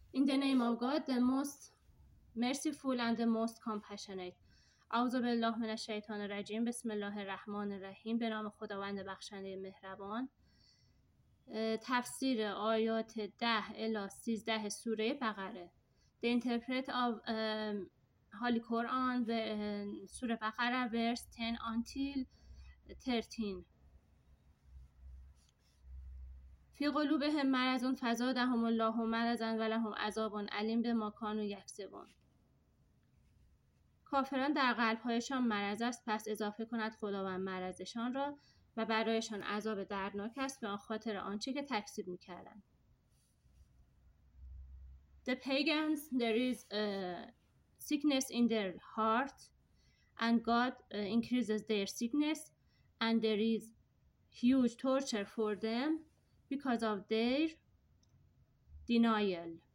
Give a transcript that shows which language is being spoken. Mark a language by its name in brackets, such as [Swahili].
[English] In the name of God, the most merciful and the most compassionate. [Arabic] اعوذ بالله من الشیطان الرجیم. بسم الله الرحمن الرحیم. [Persian] به نام خداوند بخشنده مهربان. تفسیر آیات 10 الی 13 سوره بقره. [English] The interpret of Holy Quran, the سوره بقره, verse 10 until 13. [Arabic] فی قلوبهم مرضون فزادهم الله مرضاً ولهم عذابٌ علیم بما کانوا یکسبون. [Persian] کافران در قلبهایشان مرض است, پس اضافه کند خداوند مرضشان را و برایشان عذاب دردناک است به خاطر آنچه که تکسیب میکردند. [English] The pagans, there is a sickness in their heart and God increases their sickness and there is huge torture for them because of their denial.